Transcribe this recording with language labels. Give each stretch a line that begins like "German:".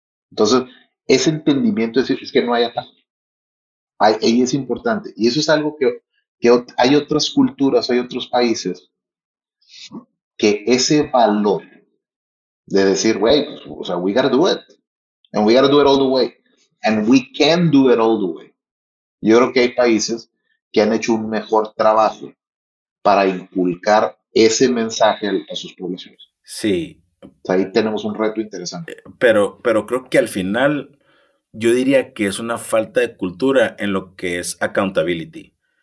Spanish: Entonces, ese entendimiento es decir, es que no hay atajo. Ahí es importante. Y eso es algo que hay otras culturas, hay otros países, que ese valor de decir, güey, pues, o sea,
English: we gotta do it. And we gotta do it all the way. And we can do it all the way.
Spanish: Yo creo que hay países que han hecho un mejor trabajo para inculcar ese mensaje a sus poblaciones. Sí, Sea, ahí tenemos un reto interesante. pero creo que al final yo diría que es una falta de cultura en lo que es accountability.